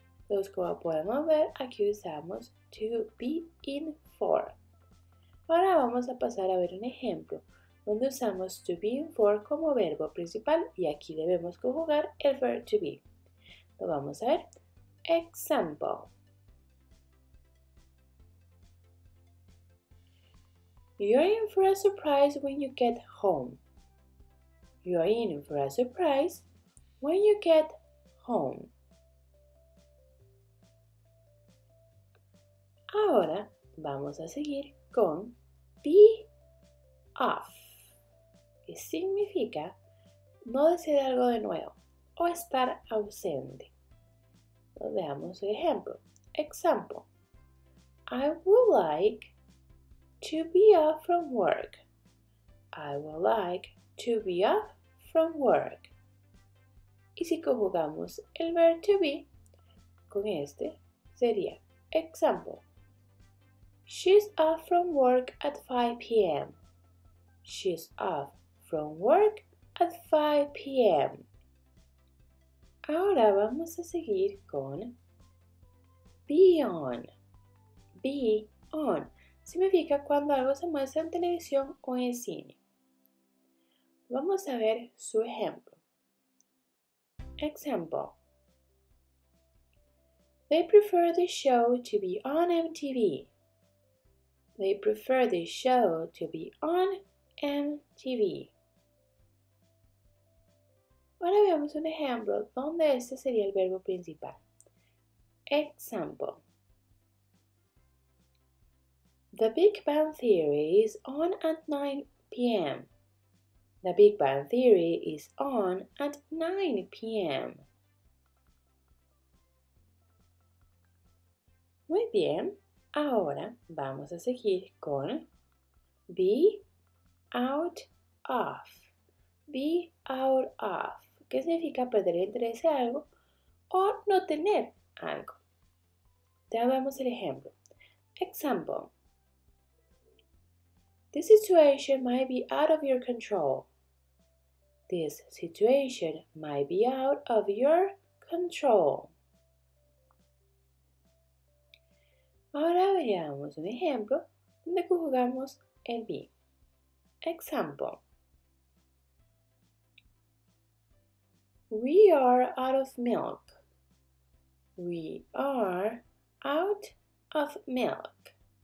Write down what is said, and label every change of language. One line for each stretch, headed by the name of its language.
Spanish: Entonces como podemos ver, aquí usamos
English: to be in for.
Spanish: Ahora vamos a pasar a ver un ejemplo donde usamos
English: to be in for
Spanish: como verbo principal y aquí debemos conjugar el
English: verb to be.
Spanish: Lo vamos a ver.
English: Example. You're in for a surprise when you get home. You're in for a surprise when you get home.
Spanish: Ahora vamos a seguir con
English: be off,
Spanish: que significa no decir algo de nuevo o estar ausente. Veamos un ejemplo.
English: Example. I would like to be off from work. I would like to be off from work.
Spanish: Y si conjugamos el
English: verb to be
Spanish: con este, sería
English: example. She's off from work at 5 p.m. She's off from work at 5 p.m.
Spanish: Ahora vamos a seguir con
English: be on. Be on
Spanish: significa cuando algo se muestra en televisión o en cine. Vamos a ver su ejemplo.
English: Example. They prefer the show to be on MTV. They prefer the show to be on MTV.
Spanish: Ahora veamos un ejemplo donde este sería el verbo principal.
English: Example. The Big Bang Theory is on at 9 p.m. The Big Bang Theory is on at 9 p.m.
Spanish: Muy bien, ahora vamos a seguir con
English: be out of. Be out of.
Spanish: ¿Qué significa perder el interés de algo o no tener algo? Ya vemos el ejemplo.
English: Example. This situation might be out of your control. This situation might be out of your control.
Spanish: Ahora veamos un ejemplo donde conjugamos el be.
English: Example. We are out of milk. We are out of milk.